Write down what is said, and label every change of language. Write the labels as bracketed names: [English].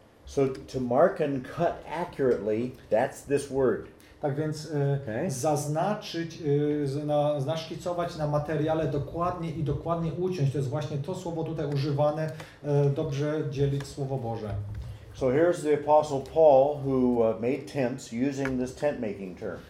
[English] So to mark and cut accurately, that's this word. [Polish] Tak więc zaznaczyć, naszkicować na materiale dokładnie i dokładnie uciąć. To jest właśnie to słowo tutaj używane, dobrze dzielić Słowo Boże. [English] So here's the Apostle Paul who made tents using this tent making term.